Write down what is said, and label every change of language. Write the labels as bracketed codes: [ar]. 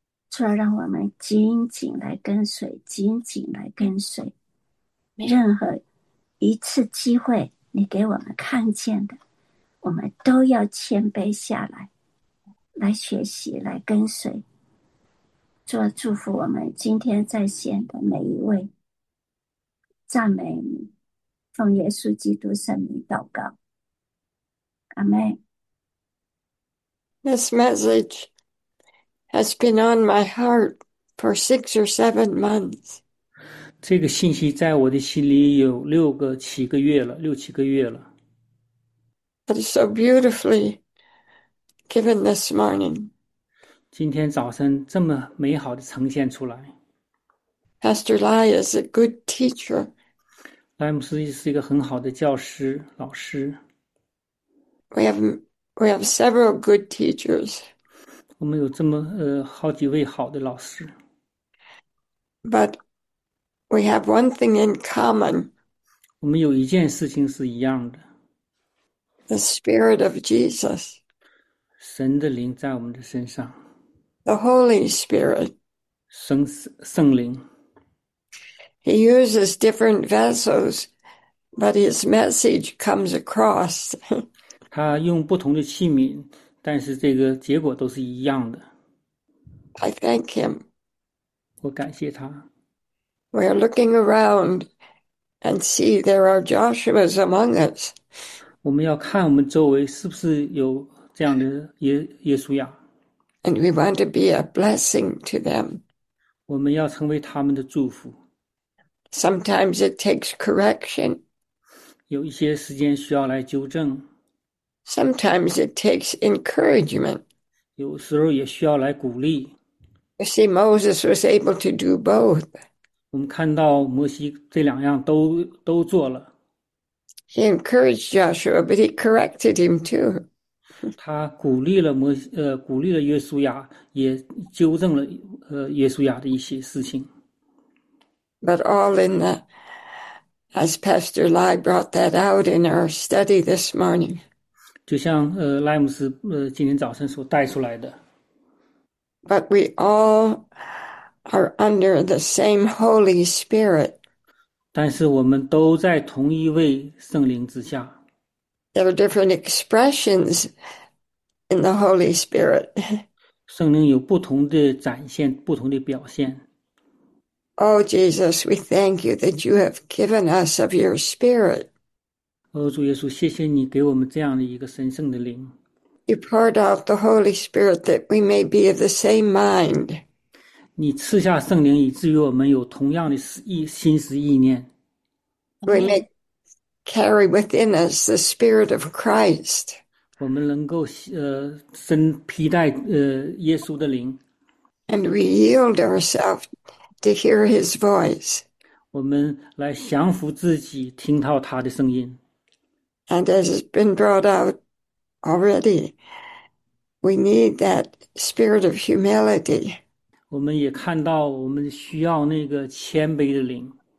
[zh] 除了让我们紧紧来跟随，紧紧来跟随，任何一次机会你给我们看见的，我们都要谦卑下来。来学习，来跟随。主啊，祝福我们今天在线的每一位，赞美你，奉耶稣基督圣名祷告，阿门。 [en] This message has been on my heart for 6 or 7 months. [zh] 这个信息在我的心里有六七个月了。 [en] It is so beautifully given this morning. [zh] 今天早晨这么美好的呈现出来。 [en] Pastor Lai is a good teacher. [zh] 莱姆斯是一个很好的教师，老师。 [en] We have several good teachers. [zh] 我们有这么好几位好的老师。 [en] But we have one thing in common. [zh] 我们有一件事情是一样的， [en] The Spirit of Jesus. [zh] 神的灵在我们的身上， [en] The Holy Spirit. [zh] 圣灵。 [en] He uses different vessels, but his message comes across. [zh] 他用不同的器皿，但是这个结果都是一样的。 [en] I thank him. [zh] 我感谢他。 [en] We are looking around and see there are Joshuas among us. [zh] 我们要看我们周围是不是有这样的耶稣亚， [en] And we want to be a blessing to them. [zh] 我们要成为他们的祝福。 [en] Sometimes it takes correction. [zh] 有一些时间需要来纠正， [en] Sometimes it takes encouragement. [zh] 有时候也需要来鼓励。 [en] You see, Moses was able to do both. [zh] 我们看到摩西这两样都做了。 [en] He encouraged Joshua, but he corrected him too. [zh] 他鼓励了约书亚，也纠正了约书亚的一些事情。 [en] But all in the, as Pastor Lai brought that out in our study this morning. [zh] 就像莱姆斯今天早晨所带出来的。 [en] But we all are under the same Holy Spirit. [zh] 但是我们都在同一位圣灵之下。 [en] There are different expressions in the Holy Spirit. [zh] 圣灵有不同的展现，不同的表现。 [en] Oh, Jesus, we thank you that you have given us of your Spirit. [zh] Oh, 主耶稣，谢谢你给我们这样的一个神圣的灵。 [en] You poured out the Holy Spirit that we may be of the same mind. [zh] 你赐下圣灵，以至于我们有同样的心思意念。 [en] We may carry within us the Spirit of Christ. [zh] 我们能够身披戴耶稣的灵， [en] And we yield ourselves to hear his voice. [zh] 我们来降服自己，听到他的声音。 [en] And as has been brought out already, we need that spirit of humility. [zh] 我们也看到，我们需要那个谦卑的灵。